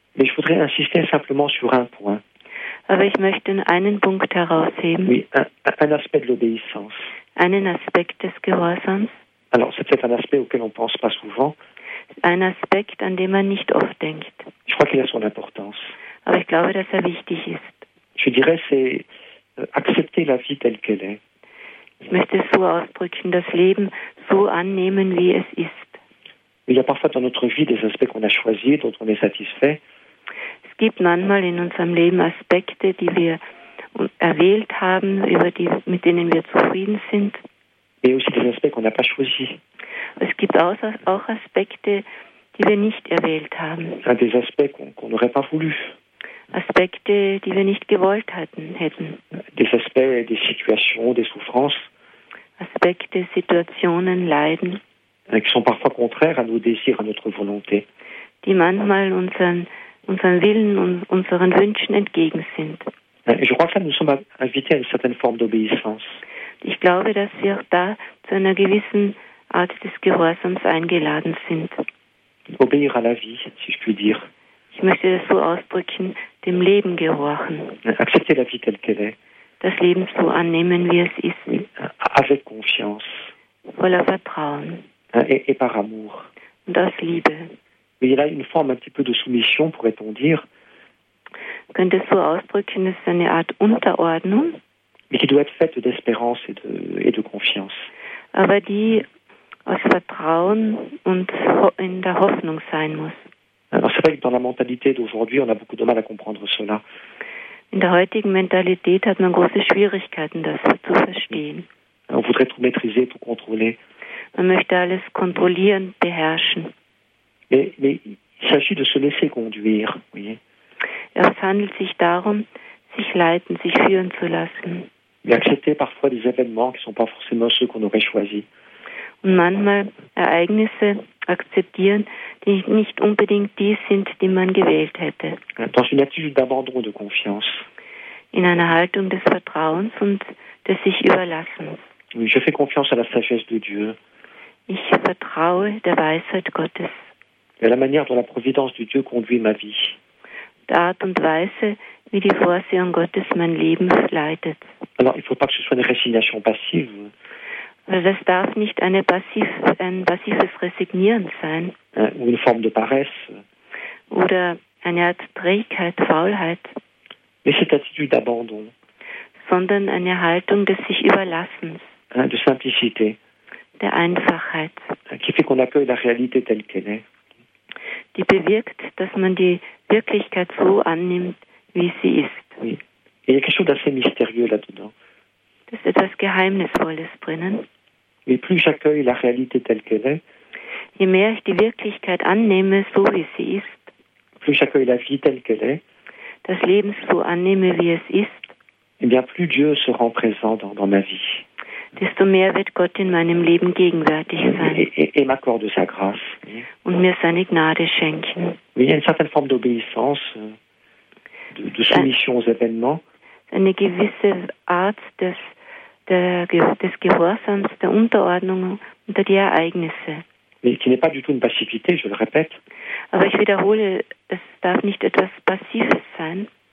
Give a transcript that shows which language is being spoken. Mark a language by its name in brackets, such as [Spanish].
[French] Mais je voudrais insister simplement sur un point. [German] Aber ich möchte einen Punkt herausheben. [French] Oui, un aspect de l'obéissance. [German] Einen Aspekt des Gehorsams. [French] Alors, c'est peut-être un aspect auquel on pense pas souvent. [German] Ein Aspekt, an den man nicht oft denkt. [French] Je crois qu'il a son importance. [German] Aber ich glaube, dass wichtig ist. [French] Je dirais c'est accepter la vie telle qu'elle est. [German] Ich möchte es so ausdrücken, das Leben so annehmen, wie es ist. [French] Il y a parfois dans notre vie des aspects qu'on a choisis, dont on est satisfait. [German] Es gibt manchmal in unserem Leben Aspekte, die wir erwählt haben, über die, mit denen wir zufrieden sind. [French] Et aussi des aspects qu'on n'a pas choisis. [German] Es gibt auch Aspekte, die wir nicht erwählt haben. [French] Des aspects qu'on n'aurait pas voulu. [German] Aspekte, die wir nicht gewollt hätten. [French] Des aspects, des situations, des souffrances. [German] Aspekte, Situationen, Leiden. [French] Qui sont parfois contraires à nos désirs, à notre volonté. [German] Die manchmal unseren Willen und unseren Wünschen entgegen sind. [French] Je crois que nous sommes invités à une certaine forme d'obéissance. [German] Ich glaube, dass wir auch da zu einer gewissen Art des Gehorsams eingeladen sind. [French] Obéir à la vie, si je puis dire. [German] Ich möchte das so ausdrücken, dem Leben gehorchen. [French] Accepter la vie telle qu'elle est. [German] Das Leben so annehmen, wie es ist. [French] Avec confiance. Voilà, [German] Vertrauen. [French] Et par amour. [German] Und aus Liebe. [French] Mais il y a une forme un petit peu de soumission, pourrait-on dire. [German] Ich könnte es so ausdrücken, es ist eine Art Unterordnung. [French] Mais qui doit être faite d'espérance et de confiance. [German] Aber die aus Vertrauen und in der Hoffnung sein muss. [French] Alors c'est vrai que dans la mentalité d'aujourd'hui, on a beaucoup de mal à comprendre cela. [German] In der heutigen Mentalität hat man große Schwierigkeiten, das zu verstehen. [French] On voudrait tout maîtriser, tout contrôler. [German] Man möchte alles kontrollieren, beherrschen. [French] Mais il s'agit de se laisser conduire, voyez. [German] Ja, es handelt sich darum, sich leiten, sich führen zu lassen. [French] Mais accepter parfois des événements qui ne sont pas forcément ceux qu'on aurait choisis. [German] Und manchmal Ereignisse akzeptieren, die nicht unbedingt die sind, die man gewählt hätte. [French] Dans une attitude d'abandon de confiance. [German] In einer Haltung des Vertrauens und des sich Überlassens. [French] Oui, je fais confiance à la sagesse de Dieu. [German] Ich vertraue der Weisheit Gottes. [French] Et la manière dont la providence de Dieu conduit ma vie. [German] Die Art und Weise, wie die Vorsehung Gottes mein Leben leitet. [French] Alors, il faut pas que ce soit une résignation passive. [German] Also das darf nicht ein passives Resignieren sein. [French] Une forme de paresse. [German] Oder eine Art Trägheit, Faulheit. [French] Mais cette attitude d'abandon. [German] Sondern eine Haltung des sich Überlassens. [French] De simplicité. [German] Der Einfachheit. [French] Qui fait qu'on accueille la réalité telle qu'elle est. [German] Die bewirkt, dass man die Wirklichkeit so annimmt, wie sie ist. [French] Oui. Et il y a quelque chose d'assez mystérieux là-dedans. [German] Es ist etwas Geheimnisvolles drinnen. [French] Mais plus j'accueille la réalité telle qu'elle est, [German] je mehr ich die Wirklichkeit annehme, so wie sie ist, [French] plus j'accueille la vie telle qu'elle est, [German] das Leben so annehme, wie es ist, [French] eh bien plus Dieu se rend présent dans ma vie. [German] Desto mehr wird Gott in meinem Leben gegenwärtig sein. [French] Et m'accorde sa grâce. [German] Und mir seine Gnade schenken. [French] Il y a une certaine forme d'obéissance, de soumission aux événements. [German] Eine gewisse Art des Gehorsams, der Unterordnung unter die Ereignisse. [French] Mais qui n'est pas du tout une passivité, je le répète. [German] Aber ich wiederhole, es darf nicht etwas Passives sein.